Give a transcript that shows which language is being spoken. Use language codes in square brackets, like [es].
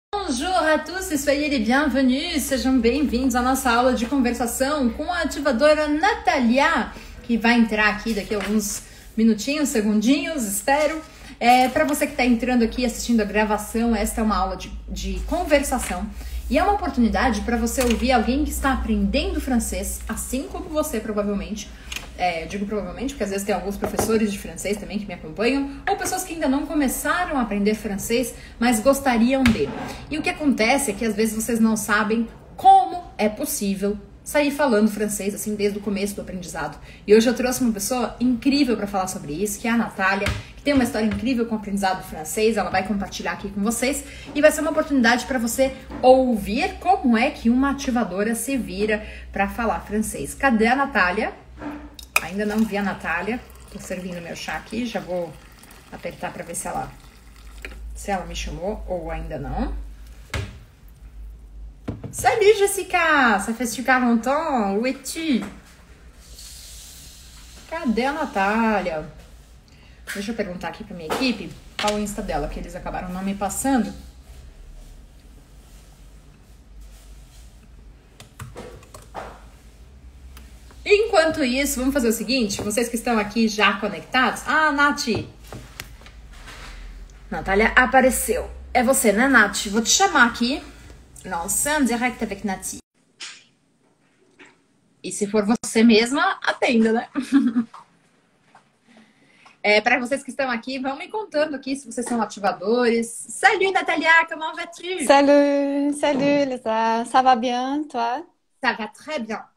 [fr] Bonjour à tous et soyez les bienvenus. [pt] Sejam bem-vindos à nossa aula de conversação com a ativadora Natalia, que vai entrar aqui daqui a alguns minutinhos, segundinhos, espero. É, para você que está entrando aqui assistindo a gravação, esta é uma aula de conversação e é uma oportunidade para você ouvir alguém que está aprendendo francês, assim como você, provavelmente. É, eu digo provavelmente, porque às vezes tem alguns professores de francês também que me acompanham, ou pessoas que ainda não começaram a aprender francês, mas gostariam de. E o que acontece é que às vezes vocês não sabem como é possível sair falando francês, assim, desde o começo do aprendizado. E hoje eu trouxe uma pessoa incrível para falar sobre isso, que é a Natália, que tem uma história incrível com o aprendizado francês, ela vai compartilhar aqui com vocês, e vai ser uma oportunidade para você ouvir como é que uma ativadora se vira para falar francês. Cadê a Natália? Ainda não vi a Natália, tô servindo meu chá aqui, já vou apertar para ver se ela me chamou ou ainda não. [fr] Salut Jessica, ça fait super longtemps, où es-tu? [pt] Cadê a Natália? Deixa eu perguntar aqui pra minha equipe qual o Insta dela, que eles acabaram não me passando. Enquanto isso, vamos fazer o seguinte, vocês que estão aqui já conectados... Ah, Nath! Natália apareceu. É você, né, Nath? Vou te chamar aqui. Lançando [fr] direct avec [pt] Nath. E se for você mesma, atenda, né? É, para vocês que estão aqui, vão me contando aqui se vocês são ativadores. [fr] Salut, Natália! Comment vas-tu? Salut! Salut, Lisa! Ça va bien, toi? Ça va très bien.